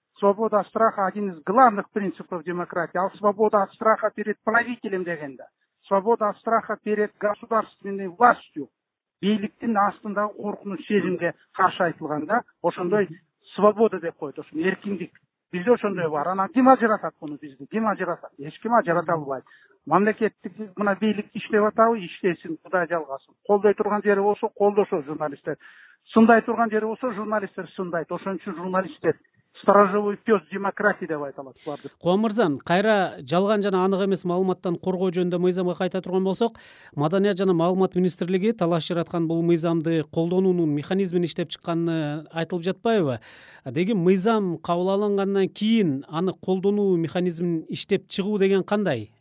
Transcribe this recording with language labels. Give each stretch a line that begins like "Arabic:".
Russian: Свобода от страха один из главных принципов демократии. Ал свобода от страха перед правителем
Kyrgyz: деген да.
Russian: Свобода от страха перед государственной властью.
Kyrgyz: Бийликтин астындагы коркунуч сезимге каршы айтылганда ошондой свобода деп коет, ошо эркиндик. Бизде ошондой бар. Анан ким ажыратат муну бизди? Ким ажыратат? Эч ким ажырата албайт. Мамлекеттик мына бийлик иштеп атабы, иштесин, кудай жалгасын. Колдой турган жери болсо колдошо журналисттер, сындай турган жери болсо журналисттер сындайт. Ошон үчүн журналисттер
Russian: сторожевой пес демократии
Kyrgyz: деп айталат булар деп. Кулан мырза, кайра жалган жана анык эмес маалыматтан коргоо жөнүндө мыйзамга кайта турган болсок, маданият жана маалымат министрлиги талаш жараткан бул мыйзамды колдонуунун механизмин иштеп чыкканы айтылып жатпайбы? Деген мыйзам кабыл алынгандан кийин аны колдонуу механизмин иштеп чыгуу деген кандай?